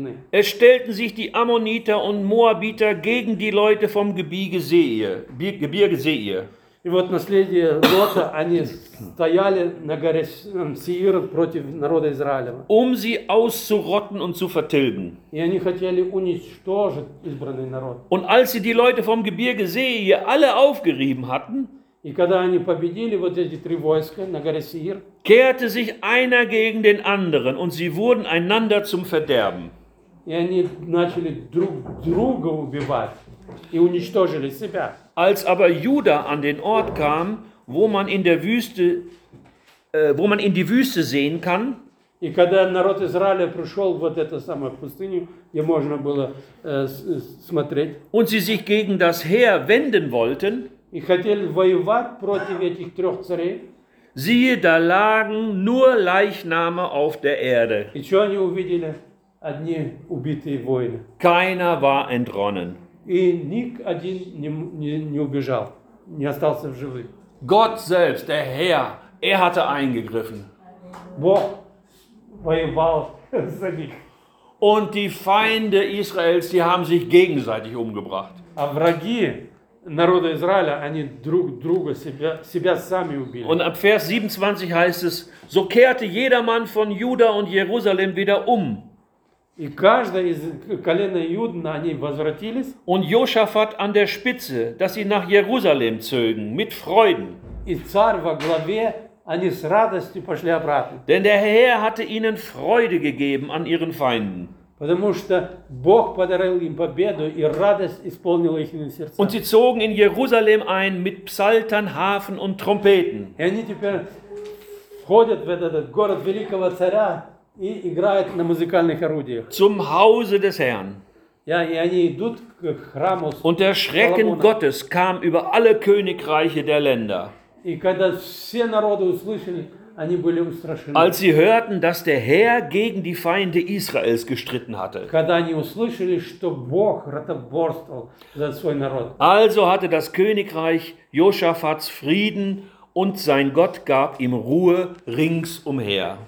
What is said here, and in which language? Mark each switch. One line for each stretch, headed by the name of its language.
German: Es stellten sich die Ammoniter und Moabiter gegen die Leute vom Gebirge Seir.
Russian: И вот наследие Лота, они стояли на горе Сеир против народа Израилева.
German: Sie auszurotten und zu vertilgen.
Russian: И они хотели уничтожить избранный народ.
German: Und als sie die Leute vom Gebirge Seir alle aufgerieben hatten,
Russian: и когда они победили вот эти три войска на горе Сеир,
German: kehrte sich einer gegen den anderen und sie wurden einander zum Verderben.
Russian: И они начали друг друга убивать и уничтожили себя.
German: Als aber Juda an den Ort kam, wo man in der Wüste, wo man in die Wüste sehen kann,
Russian: и когда народ Израиля пришел вот эту самую пустыню, где можно было смотреть,
German: und sie sich gegen das Heer wenden wollten,
Russian: и хотели воевать против этих трех царей,
German: siehe, da lagen nur Leichname auf der Erde.
Russian: И что они увидели? Одни убитые воины.
German: Keiner war entronnen.
Russian: И никто не убежал, не остался в живых.
German: Gott selbst, der Herr, hatte eingegriffen.
Russian: Бог воевал за них.
German: Und die Feinde Israels, die haben sich gegenseitig umgebracht.
Russian: А враги народа Израиля, они друг друга себя сами убили.
German: Und ab Vers 27 heißt es: So kehrte jedermann von Juda und Jerusalem wieder um.
Russian: И каждое из колена Иуды, они возвратились.
German: Und Josaphat an der Spitze, dass sie nach Jerusalem zögen, mit Freuden.
Russian: И царь во главе, они с радостью пошли обратно.
German: Denn der Herr hatte ihnen Freude gegeben an ihren Feinden.
Russian: Потому что Бог подарил им победу, и радость исполнила их сердца.
German: Und sie zogen in Jerusalem ein mit Psaltern, Harfen und Trompeten.
Russian: И они теперь входят в этот город великого царя, и играют на музыкальных орудиях.
German: Zum Hause des Herrn.
Russian: Ja, и они идут к храму.
German: Und der Schrecken Gottes kam über alle Königreiche der Länder.
Russian: И когда все народы услышали, они были устрашены.
German: Als sie hörten, dass der Herr gegen die Feinde Israels gestritten hatte.
Russian: Когда они услышали, что Бог ратоборствовал за свой народ.
German: Also hatte das Königreich Josaphats Frieden. Und sein Gott gab ihm Ruhe ringsumher.